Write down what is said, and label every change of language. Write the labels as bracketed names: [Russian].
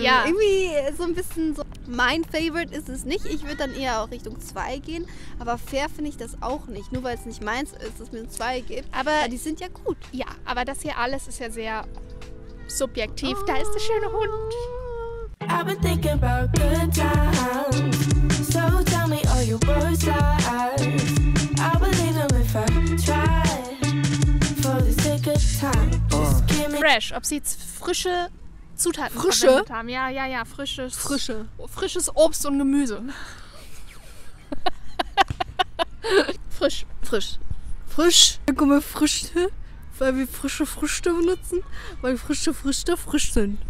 [German] Ja. Irgendwie so ein bisschen so. Mein Favorite ist es nicht. Ich würde dann eher auch Richtung 2 gehen. Aber fair finde ich das auch nicht. Nur weil es nicht meins ist, dass es mir ein 2 gibt. Aber die sind ja gut. Ja, aber das hier alles ist ja sehr subjektiv. Oh. Da ist der schöne Hund. [English] I've been thinking about good times. So tell me all your worst lies. I believe them if I try. For the sake of time. Just give me fresh, [German] ob sie jetzt frische Zutaten frische? Verwendet haben. Ja, ja, ja, frisches Obst und Gemüse. Frisch. Dann kommen wir Früchte, weil wir frische Früchte benutzen, weil frische Früchte frisch sind.